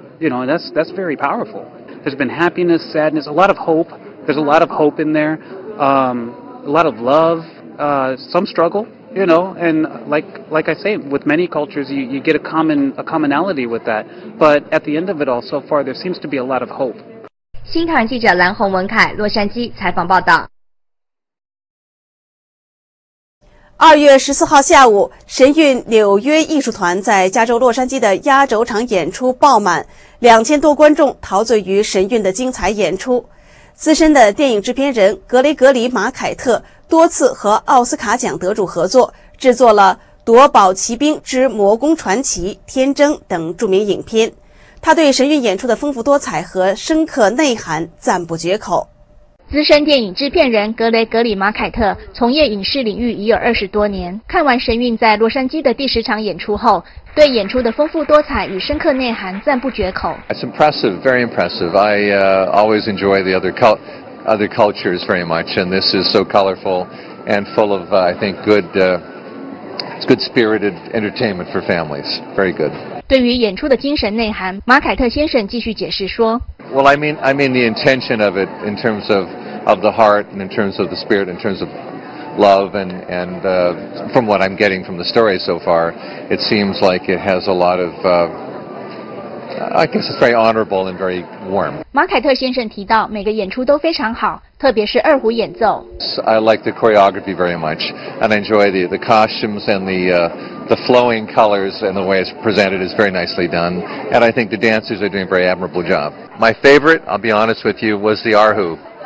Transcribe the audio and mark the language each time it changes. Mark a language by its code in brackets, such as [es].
[en] You know, and that's very powerful. There's been happiness, sadness, a lot of hope. There's a lot of hope in there. A lot of love, some struggle, you know. And like I say, with many cultures, you get a commonality with that. But at the end of it all, so far, there seems to be a lot of hope. [zh] 新唐人记者蓝红文凯，洛杉矶采访报道。 2月14号下午，神韵纽约艺术团在加州洛杉矶的压轴场演出爆满，2000多观众陶醉于神韵的精彩演出。资深的电影制片人格雷格里·马凯特多次和奥斯卡奖得主合作，制作了《夺宝奇兵之魔宫传奇》《天征》等著名影片。他对神韵演出的丰富多彩和深刻内涵赞不绝口。资深电影制片人格雷格里·马凯特从业影视领域已有20多年，看完神韵在洛杉矶的第10场演出后，对演出的丰富多彩与深刻内涵赞不绝口。 [en] It's impressive, very impressive. I always enjoy the other cultures very much, and this is so colorful and full of, it's good spirited entertainment for families. Very good. [zh] 对于演出的精神内涵，马凯特先生继续解释说， [en] Well, I mean the intention of it in terms of the heart and in terms of the spirit, in terms of love and from what I'm getting from the story so far, it seems like it has a lot of, I guess it's very honorable and very warm. [zh] 马凯特先生提到每个演出都非常好，特别是二胡演奏。 [en] I like the choreography very much and I enjoy the costumes and the flowing colors and the way it's presented is very nicely done. And I think the dancers are doing a very admirable job. My favorite, I'll be honest with you, was the Arhu.